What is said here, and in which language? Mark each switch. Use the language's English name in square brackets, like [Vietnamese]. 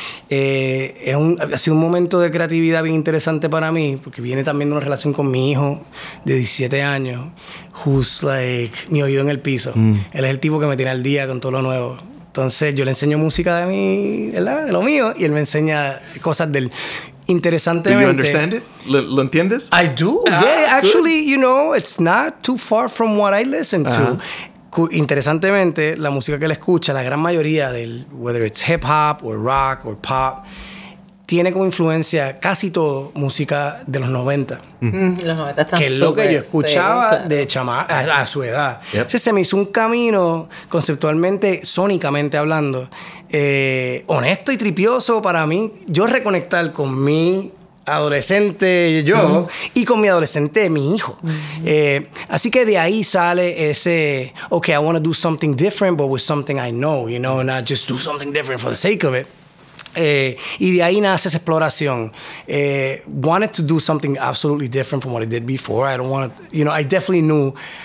[Spanish] Ha sido un momento de creatividad bien interesante para mí, porque viene también de una relación con mi hijo de 17 años, [English] who's like [Spanish] mi oído en el piso. Él es el tipo que me tiene al día con todo lo nuevo. Entonces yo le enseño música de mí, ¿verdad? De lo mío, y él me enseña cosas del... Interesantemente. [English] Do you understand it? [Spanish] ¿Lo entiendes? [English] I do. Actually, good. You know, it's not too far from what I listen to. [Spanish] Interesantemente, la música que él escucha, la gran mayoría del, [English] whether it's hip hop or rock or pop, [Spanish] tiene como influencia casi todo música de los 90. Los 90 están que es lo que yo escuchaba de chamaco a su edad. Yep. Entonces, se me hizo un camino conceptualmente, sónicamente hablando, honesto y tripioso para mí, yo reconectar con mi adolescente yo y con mi adolescente mi hijo. Así que de ahí sale ese, [English] okay, I want to do something different, but with something I know, you know, not just do something different for the sake of it. [Spanish] Y de ahí nace esa exploración. [English] Wanted to do something absolutely different from what I did before. I don't want to, you know, I definitely knew.